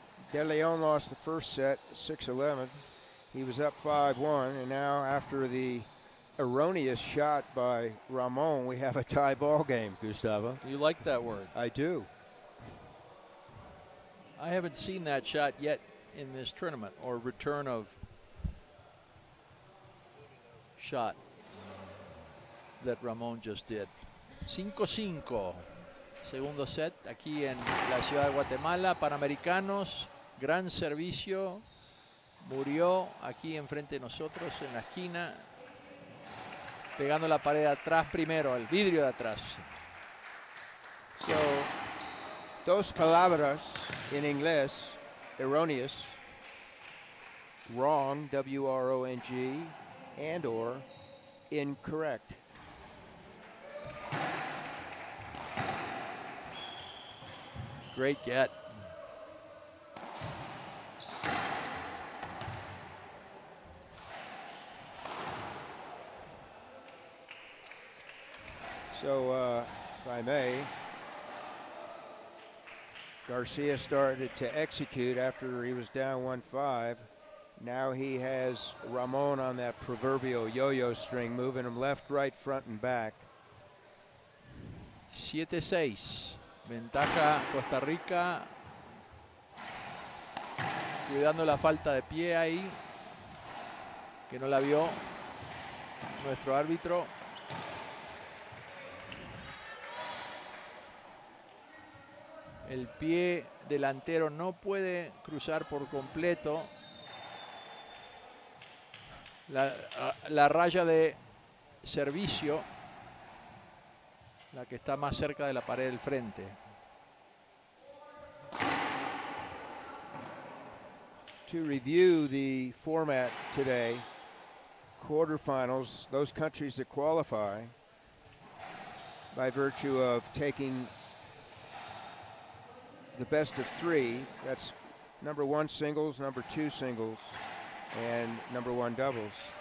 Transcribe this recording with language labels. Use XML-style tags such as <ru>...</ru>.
<en>De Leon lost the first set 6-11. He was up 5-1, and now after the erroneous shot by Ramon, we have a tie ball game, Gustavo. You like that word? I do. I haven't seen that shot yet in this tournament, or return of shot that Ramon just did. 5-5.</en> <es>Segundo set aquí en la ciudad de Guatemala. Panamericanos, gran servicio. Murió aquí enfrente de nosotros en la esquina, pegando la pared de atrás primero, el vidrio de atrás. So, dos palabras en inglés,</es> <en>erroneous, wrong, W-R-O-N-G, and or incorrect. Great get. So, if I may, Garcia started to execute after he was down 1-5. Now he has Ramon on that proverbial yo-yo string, moving him left, right, front, and back. 7-6.</en> <es>Ventaja Costa Rica, cuidando la falta de pie ahí, que no la vio nuestro árbitro. El pie delantero no puede cruzar por completo la raya de servicio, la que está más cerca de la pared del frente.</es> <en>To review the format today, quarterfinals, those countries that qualify by virtue of taking the best of three, that's number one singles, number two singles, and number one doubles.</en>